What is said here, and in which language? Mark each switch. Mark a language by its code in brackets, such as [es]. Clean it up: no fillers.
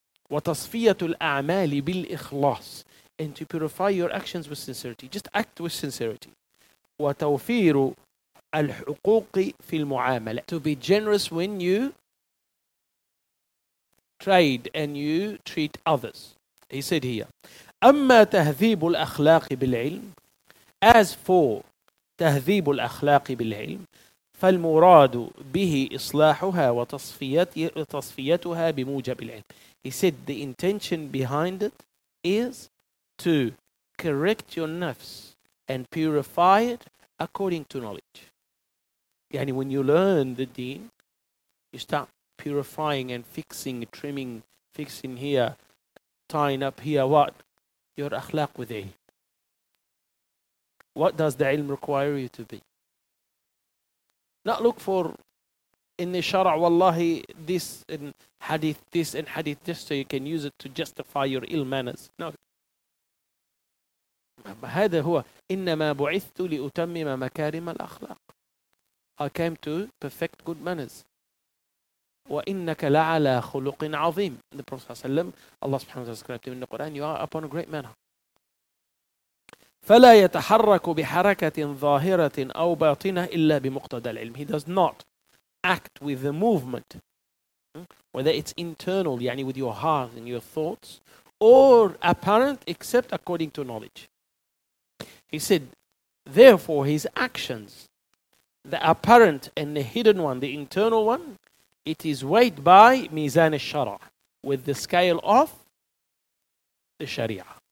[ar] وتصفية الأعمال بالإخلاص, [en] and to purify your actions with sincerity. Just act with sincerity. [ar] وتوفير الحقوق في المعاملة, [en] to be generous when you trade and you treat others. He said here, [ar] أما تهذيب الأخلاق بالعلم, [en] as for [ar] تهذيب الأخلاق بالعلم, فالمراد به إصلاحها وتصفيتها بموجب العلم. [en] He said the intention behind it is to correct your nafs and purify it according to knowledge. Yani when you learn the deen, you start purifying and fixing, trimming, fixing here, tying up here, what? Your akhlaq with ilm. What does the ilm require you to be? Not look for in the shara' wallahi this and hadith this, so you can use it to justify your ill manners. No. [ar] هذا هو إنما بعثت لأتمم مكارم الأخلاق. [en] I came to perfect good manners. [ar] وإنك لعلى خلق عظيم. [en] The Prophet ﷺ, Allah سبحانه وتعالى described him in the Quran, you are upon a great manner. [ar] فلا يتحرك بحركة ظاهرة أو باطنة إلا بمقتضى العلم. [en] He does not act with the movement, whether it's internal, يعني with your heart and your thoughts, or apparent, except according to knowledge. He said, therefore, his actions, the apparent and the hidden one, the internal one, it is weighed by mizan al-shara, with the scale of the sharia.